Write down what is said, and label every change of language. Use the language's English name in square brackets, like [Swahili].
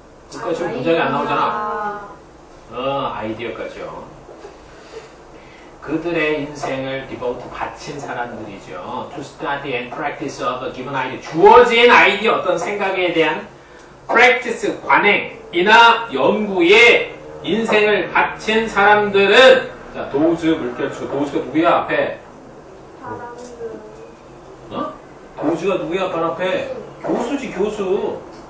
[Korean] 끝까지 문장이 안 나오잖아. 아이디어까지요. 그들의 인생을 devote 바친 사람들이죠. [English] To study and practice of a given idea. [Korean] 주어진 아이디어 어떤 생각에 대한 practice 관행이나 연구에 인생을 바친 사람들은 자, 도우즈 물결추. 도우즈가 누구야 앞에? 어? 도우즈가 누구야 앞 앞에? 교수지 교수.